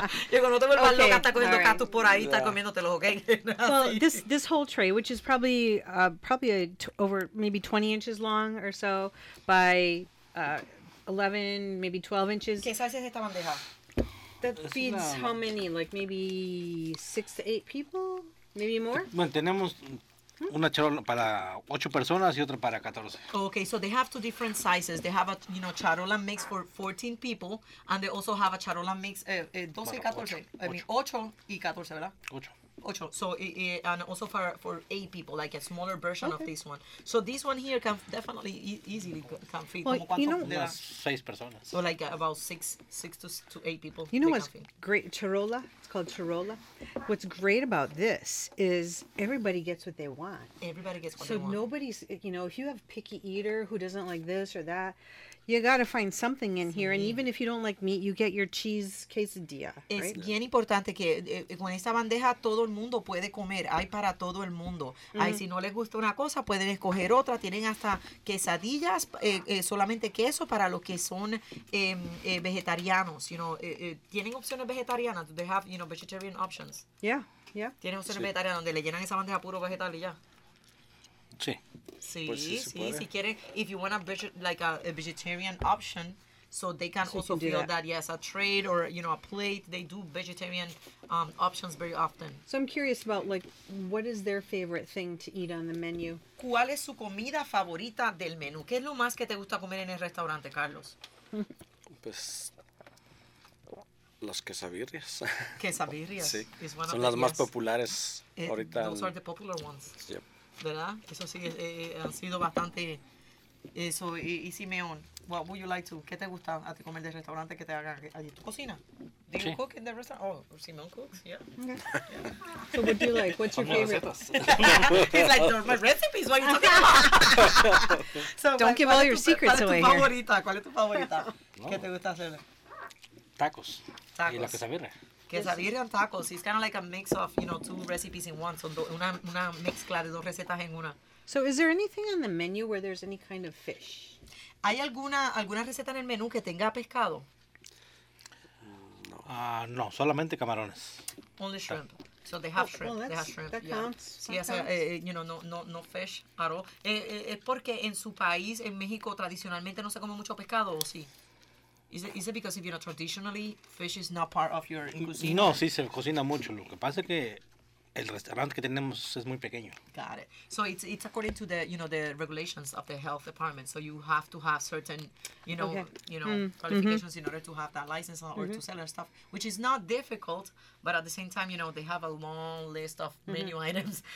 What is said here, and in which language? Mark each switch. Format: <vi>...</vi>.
<es>Digo, no te vuelvas loca, está comiendo cactus por ahí, está comiéndotelos, okay?</es> <en>Well, this whole tray, which is probably over 20 inches long or so, by 11, maybe 12 inches.</en> <es>¿Qué size es esta bandeja?</es> <en>That feeds how many? Like maybe 6 to 8 people? Maybe more?</en> <es>Bueno, tenemos una charola para 8 personas y otra para 14.</es> <en>Okay, so they have 2 different sizes. They have a, you know, charola mix for 14 people, and they also have a charola mix 12 y 14.</en> <es>Ocho.</es> <en>I mean 8</en> <es>y 14, ¿verdad?</es> <en>8.</en> <es>Ocho.</es> <en>So and also for 8 people, like a smaller version of this one. So this one here can definitely easily can feed. Well, you know,</en> <es>6 personas.</es> <en>So like about 6 to 8 people. You know what's great, charola. It's called charola. What's great about this is everybody gets what they want. Everybody gets what they want. So nobody's, you know, if you have a picky eater who doesn't like this or that, you got to find something in here. And even if you don't like meat, you get your cheese quesadilla, right?</en> <es>Es bien importante que con esta bandeja todo el mundo puede comer. Hay para todo el mundo. Mm-hmm. Ay, si no les gusta una cosa, pueden escoger otra. Tienen hasta quesadillas, solamente queso para los que son vegetarianos.</es> <en>You know,</en> <es>¿tienen opciones vegetarianas?</es> <en>They have, you know, vegetarian options. Yeah, yeah.</en> <es>¿Tienen opciones vegetarianas donde le llenan esa bandeja puro vegetal y ya? Sí. Sí, pues sí, si quiere,</es> <en>if you want a vegetarian option, so they can so also feel that, yes, a trade or, you know, a plate, they do vegetarian options very often. So I'm curious about, like, what is their favorite thing to eat on the menu?</en> <es>¿Cuál es su comida favorita del menú? ¿Qué es lo más que te gusta comer en el restaurante, Carlos? Pues, las quesabirrias. ¿Quesabirrias? Sí, son las más populares ahorita.</es> <en>Those are the popular ones. Yep.</en> <es>¿Verdad? Eso sí, ha sido bastante eso. Y Simeón,</es> <en>what would you like to,</en> <es>¿qué te gusta a ti comer del restaurante que te haga allí?</es> <en>¿Tu cocina? Do you cook in the restaurant? Oh, Simeón cooks, yeah. So what do you like? What's your favorite? He's like, no, my recipes, what are you talking about? So, don't give all your secrets away here.</en> <es>¿Cuál es tu favorita? ¿Qué te gusta hacer? Tacos. Y la quesabirria.</es> <en>Quesadilla and tacos. It's kind of like a mix of, you know, 2 recipes in one. So</en> <es>una mezcla de 2 recetas en una.</es> <en>So is there anything on the menu where there's any kind of fish?</en> <es>¿Hay alguna receta en el menú que tenga pescado? No, solamente camarones.</es> <en>Only shrimp. So they have shrimp. Well, they have shrimp. That counts. Yes, you know, no fish at all.</en> <es>¿Es porque en su país, en México, tradicionalmente no se come mucho pescado o sí?</es> <en>Is it because if you know traditionally fish is not part of your cuisine?</en> <es>No, sí se cocina mucho. Lo que pasa es que el restaurante que tenemos es muy pequeño.</es> <en>Got it. So it's according to the, you know, the regulations of the health department. So you have to have certain, you know, qualifications in order to have that license or to sell your stuff, which is not difficult. But at the same time, you know, they have a long list of menu items.</en>